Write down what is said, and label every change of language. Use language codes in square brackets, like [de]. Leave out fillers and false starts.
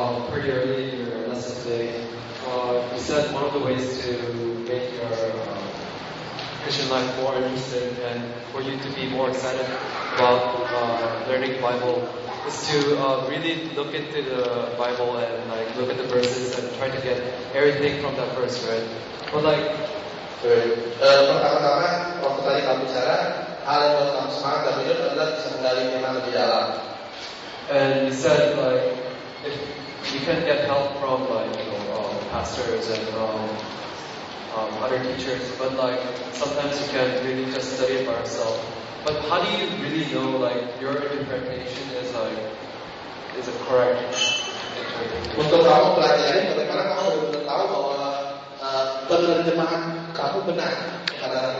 [en] Pretty early in your lesson today, you said one of the ways to make your Christian life more interesting and for you to be more excited about learning Bible is to really look into the Bible and like look at the verses and try to get everything from that verse, right? But like, [id] pertama-tama, waktu tadi kamu bicara, hal yang membuat kamu semangat dan hidup adalah bisa menggali firman lebih dalam. [en] And you said like, if you can get help from like, you know, pastors and other teachers, but like, sometimes you can't really just study it by yourself. But how do you really know like, your interpretation is like, is it correct interpretation? [id] Untuk kamu pelajari, bagaimana kamu benar-benar tahu bahwa penerjemahan kamu benar kepada